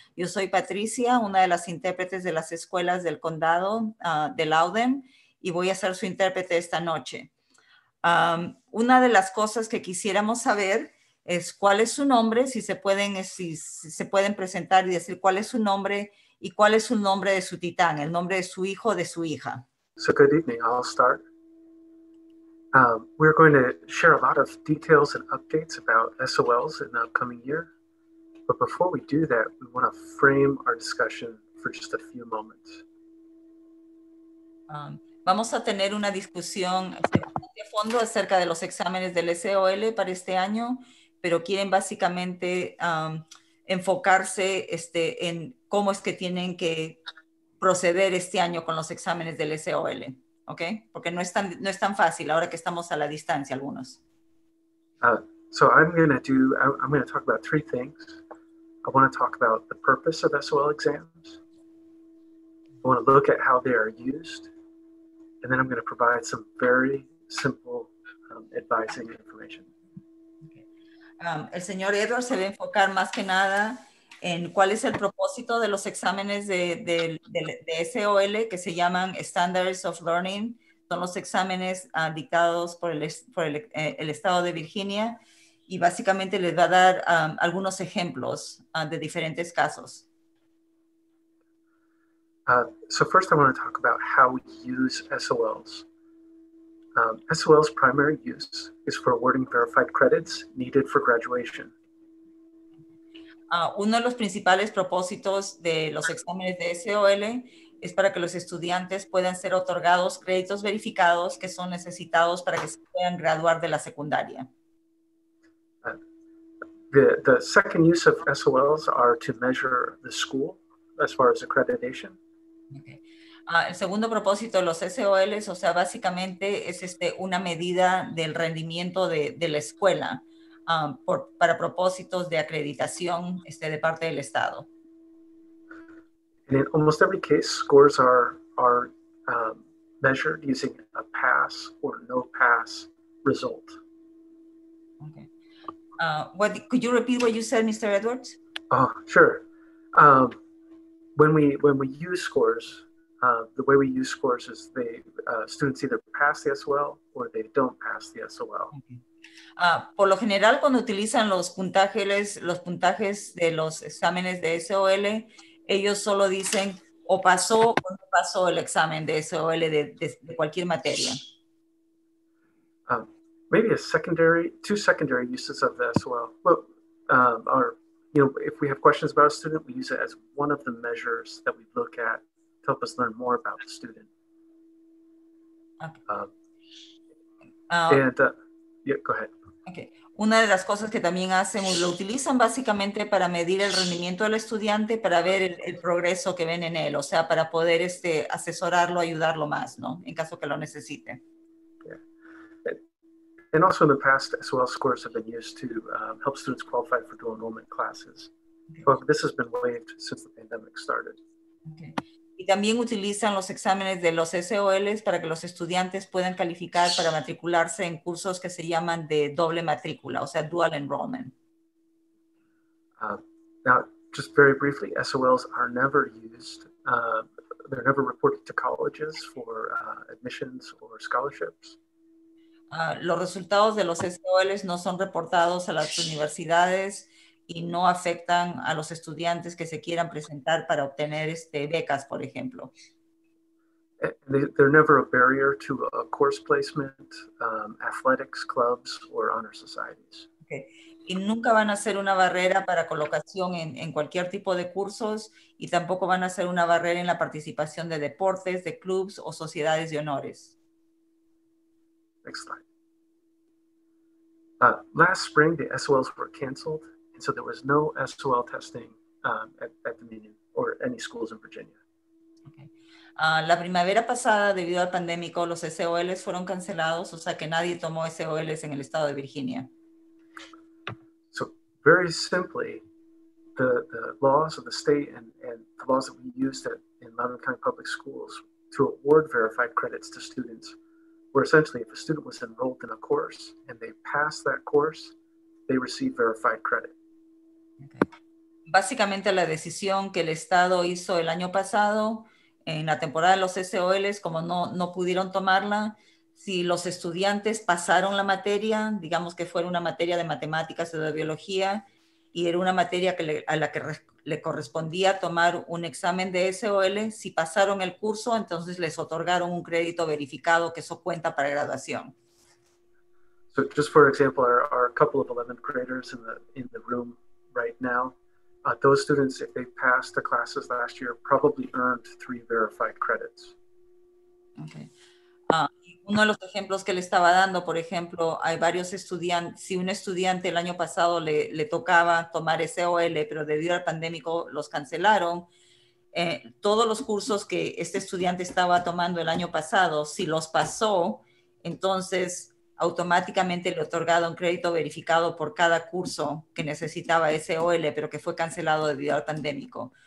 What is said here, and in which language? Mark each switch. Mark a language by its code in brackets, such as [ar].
[es] Yo soy Patricia, una de las intérpretes de las escuelas del condado de Loudoun, y voy a ser su intérprete esta noche. Una de las cosas que quisiéramos saber es cuál es su nombre, si se pueden presentar y decir cuál es su nombre y cuál es el nombre de su titán, el nombre de su hijo o de su hija. [en] So good evening, I'll start. We're going to share a lot of details and updates about SOLs in the upcoming year. But before we do that, we want to frame our discussion for just a few moments. [es] Vamos a tener una discusión de fondo acerca de los exámenes del SOL para este año, pero quieren básicamente enfocarse en cómo es que tienen que proceder este año con los exámenes del SOL. Okay, porque no es tan fácil ahora que estamos a la distancia algunos. [en] I'm going to talk about three things. I want to talk about the purpose of SOL exams. I want to look at how they are used, and then I'm going to provide some very simple advising information. Okay. [es] El señor Edward se va a enfocar más que nada en cuál es el propósito de los exámenes de SOL, que se llaman Standards of Learning. Son los exámenes dictados por el estado de Virginia, y básicamente les va a dar algunos ejemplos de diferentes casos. [en] So first I want to talk about how we use SOLs. SOL's primary use is for awarding verified credits needed for graduation. Uno de los principales propósitos de los exámenes de SOL es para que los estudiantes puedan ser otorgados créditos verificados que son necesitados para que se puedan graduar de la secundaria. The second use of SOLs are to measure the school as far as accreditation. Okay. [es] El segundo propósito de los SOLs, o sea, básicamente es una medida del rendimiento de la escuela. Para propósitos de acreditación de parte del estado. [en] And in almost every case, scores are measured using a pass or no pass result. Okay. Could you repeat what you said, Mr. Edwards? Oh, sure. When we use scores, the way we use scores is students either pass the SOL or they don't pass the SOL. Okay. [es] Por lo general, cuando utilizan los puntajes de los exámenes de SOL, ellos solo dicen o pasó o no pasó el examen de SOL de cualquier materia. [en] Maybe two secondary uses of the SOL. Well, if we have questions about a student, we use it as one of the measures that we look at to help us learn more about the student. Okay. Go ahead. Okay. [es] Una de las cosas que también hacen, lo utilizan básicamente para medir el rendimiento del estudiante, para ver el progreso que ven en él, o sea, para poder asesorarlo, ayudarlo más, ¿no? En caso que lo necesite. [en] Yeah. And also in the past, SOL scores have been used to help students qualify for dual enrollment classes. Okay. But this has been waived since the pandemic started. Okay. [es] Y también utilizan los exámenes de los SOLs para que los estudiantes puedan calificar para matricularse en cursos que se llaman de doble matrícula, o sea, dual enrollment. [en] Now, just very briefly, SOLs are never used, they're never reported to colleges for admissions or scholarships. [es] Los resultados de los SOLs no son reportados a las universidades y no afectan a los estudiantes que se quieran presentar para obtener este, becas, por ejemplo. [en] They're never a barrier to a course placement, athletics, clubs, or honor societies. [es] Okay. Y nunca van a ser una barrera para colocación en, en cualquier tipo de cursos y tampoco van a ser una barrera en la participación de deportes, de clubs o sociedades de honores. [en] Next slide. Last spring, the SOLs were canceled, and so there was no SOL testing at the meeting or any schools in Virginia. [es] La primavera pasada, debido al pandémico, los SOLs fueron cancelados, o sea que nadie tomó SOLs en el estado de Virginia. [en] So, very simply, the laws of the state and the laws that we used at, in Loudoun County Public Schools to award verified credits to students were essentially, if a student was enrolled in a course and they passed that course, they received verified credit. Okay. [es] Básicamente, la decisión que el estado hizo el año pasado en la temporada de los SOLs, como no pudieron tomarla, si los estudiantes pasaron la materia, digamos que fuera una materia de matemáticas o de biología, y era una materia que le correspondía tomar un examen de SOL, si pasaron el curso, entonces les otorgaron un crédito verificado que eso cuenta para graduación. [en] So just for example, there are a couple of 11th graders in the room right now. Those students, if they passed the classes last year, probably earned 3 verified credits. Okay. [es] Uno de los ejemplos que le estaba dando, por ejemplo, hay varios estudiantes, si un estudiante el año pasado le tocaba tomar SOL, pero debido al pandémico los cancelaron, todos los cursos que este estudiante estaba tomando el año pasado, si los pasó, entonces automáticamente le otorgaron crédito verificado por cada curso que necesitaba SOL, pero que fue cancelado debido al pandémico.